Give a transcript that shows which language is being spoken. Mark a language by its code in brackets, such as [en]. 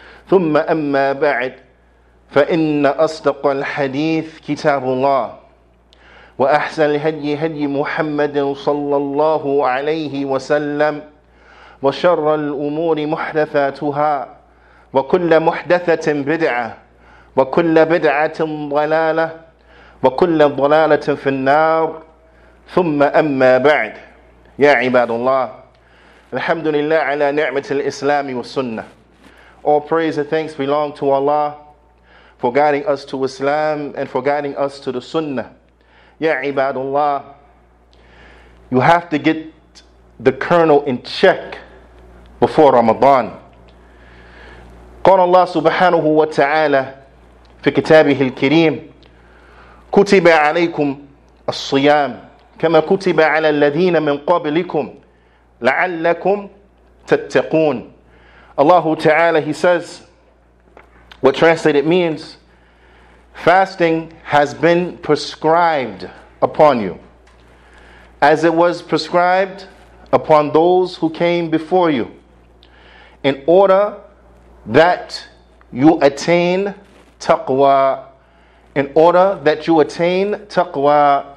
[ar] ثم أما بعد فإن أصدق الحديث كتاب الله وأحسن الهدي هدي محمد صلى الله عليه وسلم وشر الأمور محدثاتها وكل محدثة بدعة وكل بدعة ضلالة وكل ضلالة في النار ثم أما بعد يا عباد الله الحمد لله على نعمة الإسلام والسنة. [en] All praise and thanks belong to Allah for guiding us to Islam and for guiding us to the Sunnah. [ar] يا عباد الله, [en] you have to get the kernel in check before Ramadan. [ar] قال الله سبحانه وتعالى في كتابه الكريم كتب عليكم الصيام كما كتب على الذين من قبلكم لعلكم تتقون. [en] Allah Ta'ala, he says, what translated means, fasting has been prescribed upon you, as it was prescribed upon those who came before you, in order that you attain taqwa, in order that you attain taqwa.